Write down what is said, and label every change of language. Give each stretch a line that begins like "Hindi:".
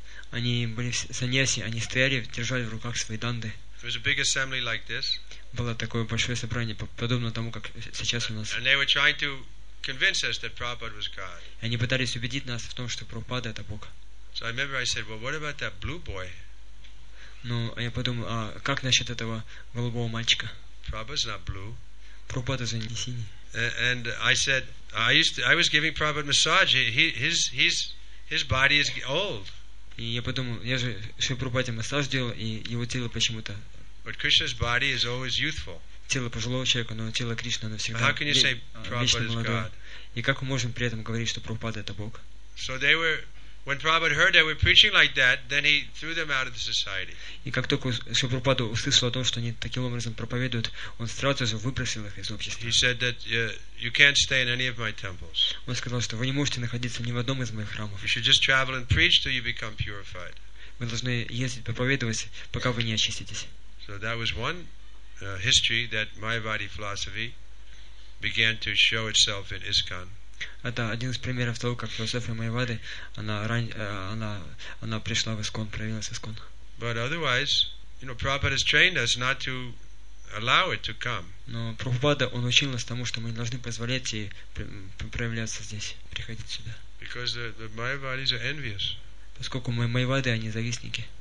Russian: Они были саньяси, они стояли, держали в руках свои данды.
English: There was a big assembly like this.
Russian: Было такое большое собрание, подобно тому, как сейчас у нас.
English: And they were trying to convince us that Prabhupada was God.
Russian: Они пытались убедить нас в том, что Прабхупада это Бог.
English: So I remember I said, well, what about that blue boy?
Russian: Ну, я подумал, а как насчет этого голубого мальчика?
English: Prabhupada's not blue.
Russian: Прабхупада же не синий.
English: And I said, I was giving Prabhupada massage. His body is old.
Russian: И я подумал, я же Шрила Прабхупаде массаж делал, и его тело почему-то.
English: But Krishna's body is always youthful.
Russian: Тело пожилого человека, но тело Кришны навсегда.
English: How can you say Prabhupada is God?
Russian: И как мы можем при этом говорить, что Прабхупада это Бог?
English: So they were When Prabhupada heard that we're preaching like that, then he threw them out of the society.
Russian: И как только Шрила Прабхупада услышал о том, что они таким образом проповедуют, он сразу же выбросил их из общества.
English: He said that you can't stay in any of my temples.
Russian: Он сказал, что вы не можете находиться ни в одном из моих храмов.
English: You should just travel and preach till you become purified.
Russian: Вы должны ездить проповедовать, пока вы не очиститесь.
English: So that was one history that Mayavadi philosophy began to show itself in ISKCON.
Russian: Это один из примеров того, как философия Майявады она пришла в ИСККОН, проявилась в ИСККОН.
English: But otherwise, you know, Prabhupada has trained us not to allow it to come.
Russian: Но Прабхупада он учил нас тому, что мы не должны позволять ей проявляться здесь, приходить сюда.
English: Because the Mayavadis are envious.
Russian: Поскольку мы Майявады, они завистники.